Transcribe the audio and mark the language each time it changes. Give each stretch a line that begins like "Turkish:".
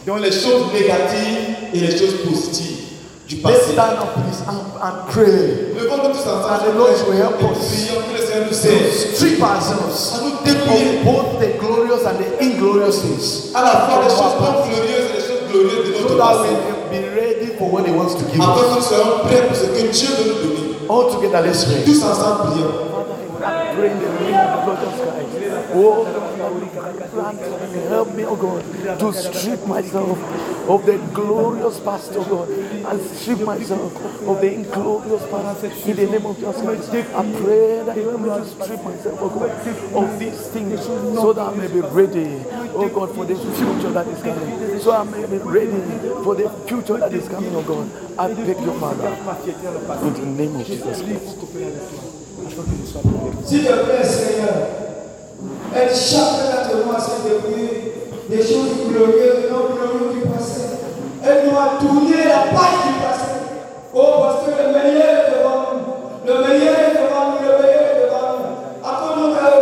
French: Donc les choses négatives et les choses positives du passé.
English: Let's stand up, please, and pray.
French: Levons tous ensemble.
English: And the Lord will help us.
French: Prions que le Seigneur nous aide.
English: Strip ourselves.
French: À nous dépouiller
English: both the glorious and the inglorious things.
French: À la fois les choses non glorieuses et les choses glorieuses de notre passé.
English: So that we can be ready for what He wants to give us.
French: Afin que nous soyons prêts pour ce que Dieu veut nous donner.
English: All together, let's pray.
French: Tous ensemble, prions.
English: Oh, help me, oh God, to strip myself of the glorious past, O God, and strip myself of the inglorious past in the name of Jesus. I pray that you may strip myself, O God, of these things so that I may be ready, O God, for the future that is coming. So I may be ready for the future that is coming, O God. I beg your Father in the name of Jesus Christ.
French: S'il te plaît, Seigneur, aide chacun d'entre nous à se débrouiller des choses glorieuses, non glorieuses du passé. Aide-nous à tourner la page du passé. Oh, parce que le meilleur est devant nous. Le meilleur est devant nous. Le meilleur est devant nous.